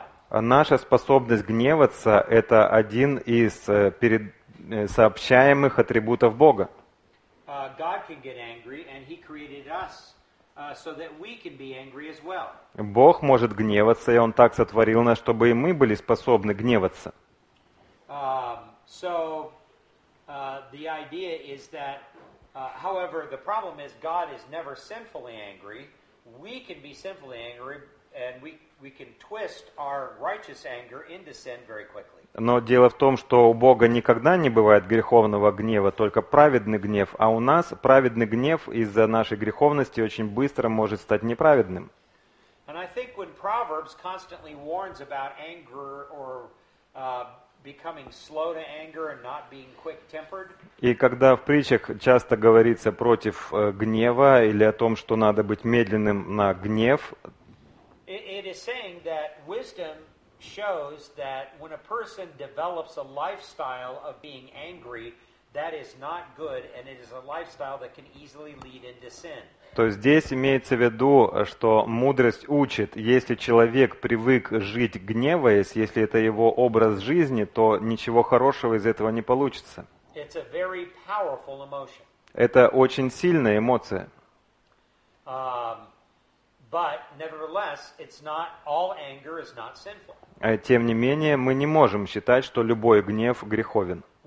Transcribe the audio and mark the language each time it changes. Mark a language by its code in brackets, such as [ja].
[ru] Наша способность гневаться – это один из сообщаемых атрибутов Бога. [en] God can get angry, and he created us. So that we can be angry as well. [ru] Бог может гневаться, и Он так сотворил нас, чтобы и мы были способны гневаться. [en] The idea is that, however, the problem is God is never sinfully angry. We can be sinfully angry, and we can twist our righteous anger into sin very quickly. [ru] Но дело в том, что у Бога никогда не бывает греховного гнева, только праведный гнев. А у нас праведный гнев из-за нашей греховности очень быстро может стать неправедным. [en] And I think when Proverbs constantly warns about anger or becoming slow to anger and not being quick-tempered. [ru] И когда в притчах часто говорится против гнева или о том, что надо быть медленным на гнев, [en] it is saying that wisdom shows that when a person develops a lifestyle of being angry, that is not good, and it is a lifestyle that can easily lead into sin. [ru] То есть здесь имеется в виду, что мудрость учит, если человек привык жить гневаясь, если это его образ жизни, то ничего хорошего из этого не получится. [en] It's a very powerful emotion. [ru] Это очень сильная эмоция. [en] But nevertheless, it's not all anger is not sinful. [ru] Тем не менее, мы не можем считать, что любой гнев греховен.